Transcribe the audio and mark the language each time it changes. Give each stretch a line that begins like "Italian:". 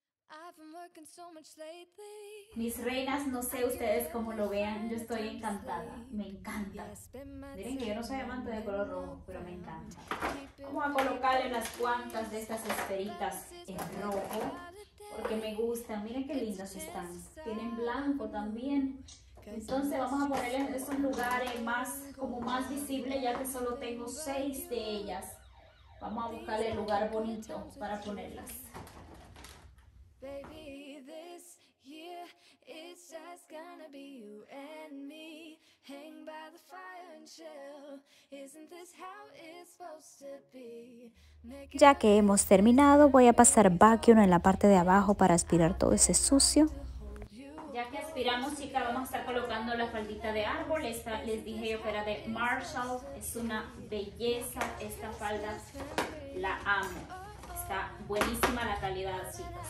English: I've been working so much lately.
Spanish: Mis reinas, no sé ustedes cómo lo vean, yo estoy encantada, me encanta. Miren que yo no soy amante de color rojo, pero me encanta. Vamos a colocarle unas cuantas de estas esferitas en rojo, porque me gustan. Miren qué lindas están, tienen blanco también. Entonces vamos a ponerle en esos lugares más, como más visibles, ya que solo tengo 6 de ellas. Vamos a buscarle el lugar bonito para ponerlas.
English: Baby, this year it's just gonna be you and me. Hang by the fire and chill. Isn't this how it's supposed to be?
Spanish: Ya que hemos terminado, voy a pasar vacuum en la parte de abajo para aspirar todo ese sucio. Ya que aspiramos, chica, vamos a estar colocando la faldita de árbol. Esta, les dije yo que era de Marshall. Es una belleza. Esta falda la amo. Está buenísima la calidad, chicas.